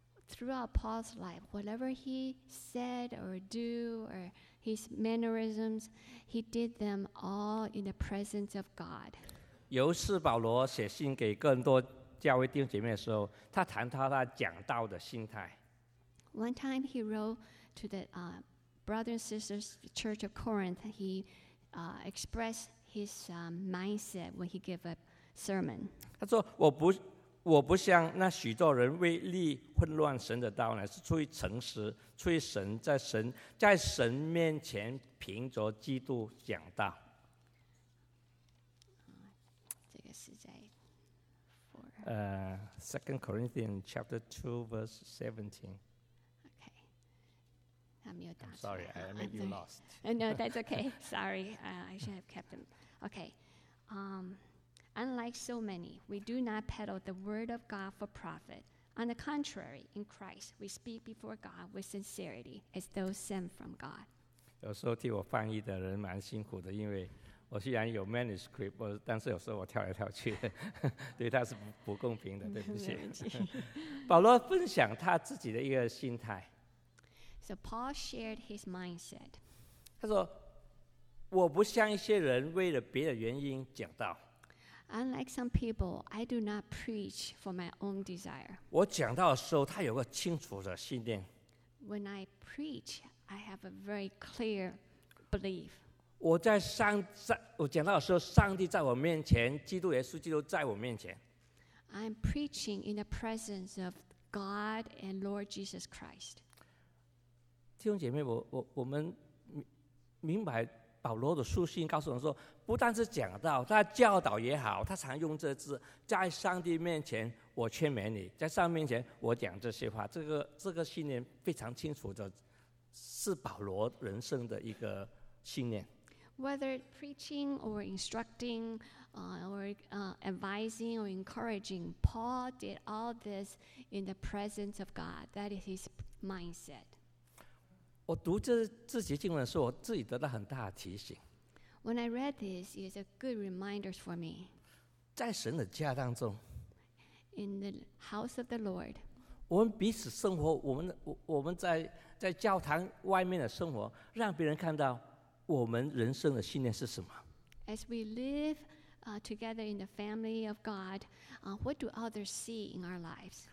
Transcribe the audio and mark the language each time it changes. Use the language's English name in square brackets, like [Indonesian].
[English] throughout Paul's life whatever he said or do or his mannerisms he did them all in the presence of God [Chinese] 由是保罗写信给更多教会弟兄姐妹的时候他谈到他讲道的心态 [English] one time he wrote to the brothers and sisters church of Corinth heexpress his mindset when he gave a sermon. [Chinese] 他说我不像那许多人为利混乱神的道乃是出于诚实出于神在神面前凭着基督讲道。这个是在 [English] 2 Corinthians chapter 2 verse 17. I'm sorry, I made you lost. No, that's okay. Sorry, I should have kept them. Okay. Unlike so many, we do not peddle the word of God for profit. On the contrary, in Christ, we speak before God with sincerity, as though sent from God. [Chinese] 有时候替我翻译的人蛮辛苦的，因为我虽然有 manuscript， 但是有时候我跳来跳去，对他是 不公平的，对不起。保罗分享他自己的一个心态。 [English] So Paul shared his mindset. [Chinese] 他说，我不像一些人为了别的原因讲道。 [English] Unlike some people, I do not preach for my own desire. [Chinese] 我讲道的时候，他有个清楚的信念。 [English] When I preach, I have a very clear belief. [Chinese] 我在上在我讲道的时候，上帝在我面前，基督耶稣基督在我面前。 [English] I'm preaching in the presence of God and Lord Jesus Christ. [Chinese] 弟兄姐妹，我们明白。保罗的书信告诉我们说，不但是讲道，他教导也好，他常用这字，在上帝面前我劝勉你，在上帝面前我讲这些话，这个信念非常清楚的，是保罗人生的一个信念。 [English] Whether preaching or instructing, or advising or encouraging, Paul did all this in the presence of God. That is his mindset. [Chinese] 我读这节经文的时候，我自己得到很大的提醒。 [English] When I read this, it's a good reminder for me. [Chinese] 在神的家当中 [English] ，in the house of the Lord， [Chinese] 我们彼此生活，我们在教堂外面的生活，让别人看到我们人生的信念是什么。 [English] As we live together in the family of God, what do others see in our lives?